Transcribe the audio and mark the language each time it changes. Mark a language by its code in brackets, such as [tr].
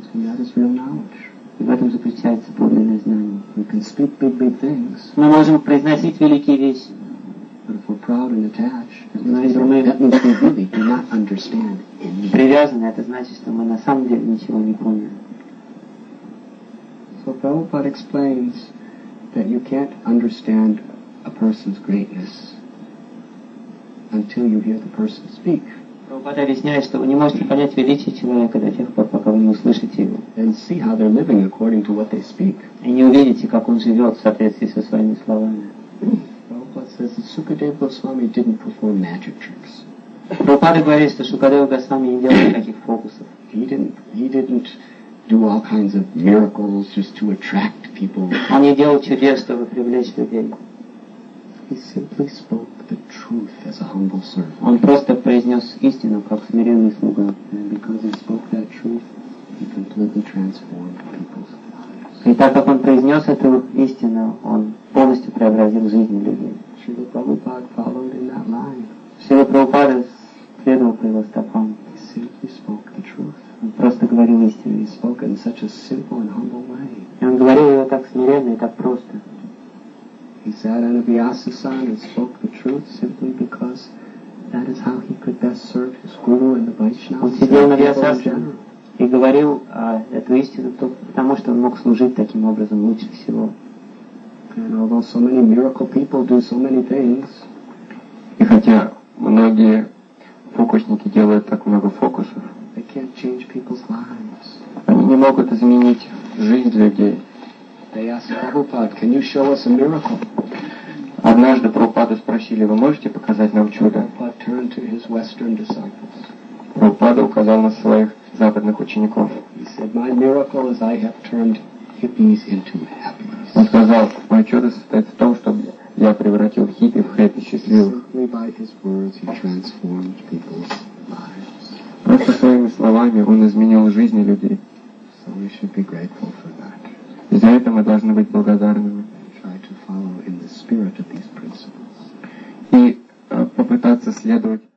[en] And that is real knowledge. [ru] И в этом заключается подлинное знание. [en] We can speak big things. [ru] Мы можем произносить великие вещи. [en] But if we're proud and attached. And that [ru] привязаны, это значит, что мы на самом деле ничего не поняли. [en] So Prabhupada explains that you can't understand a person's greatness until you hear the person speak. [ru] Прабхупада объясняет, что вы не можете понять величие человека до тех пор, пока вы не услышите его. [en] And see how they're living according to what they speak. [ru] И не увидите, как он живет в соответствии со своими словами. [en] Prabhupada says that Sukadeva Goswami didn't perform magic tricks. [ru] Прабхупада говорит, что Сукадева Госвами не делал никаких фокусов. [en] He didn't do all kinds of miracles just to attract people. [ru] Он не делал чудес, чтобы привлечь людей. [en] He simply spoke the truth as a humble servant. [ru] Он просто произнес истину как смиренный слуга. [en] And because he spoke that truth, he completely transformed people's lives. [ru] И так как он произнес эту истину, он полностью преобразил жизнь людей. [en] Шрила Прабхупада followed in that line. [ru] Шрила Прабхупада следовал по его стопам. [en] He simply spoke the truth. [ru] Он просто говорил истину. [en] He spoke in such a simple and humble way. [ru] И он говорил ее так смиренно и так просто. [en] He sat on a Vyasa san and spoke the truth simply because that is how he could best serve his guru and the Vaishnavas. [ru] Он сидел на Вьясасане и говорил эту истину только потому, что он мог служить таким образом лучше всего. [en] And although so many miracle people do so many things, [ru] и хотя многие фокусники делают так много фокусов, [en] they can't change people's lives. [ru] Они не могут изменить жизнь людей. [en] They asked Prabhupada, "Can you show us a miracle?" [ru] Однажды Прабхупада спросили: "Вы можете показать нам чудо?" [en] Prabhupada turned to his Western disciples. [ru] Прабхупада указал на своих западных учеников. [en] He said, "My miracle is I have turned hippies into happy." [ru] Он сказал: "Мое чудо состоит в том, что я превратил хиппи в хэппи счастливых." [en] Simply by his words, he transformed people's lives. [ru] Просто своими словами он изменил жизни людей. [en] So we should be grateful for that. [ru] И за это мы должны быть благодарными. [en] Try to follow in the spirit of these principles. [ru] И попытаться следовать.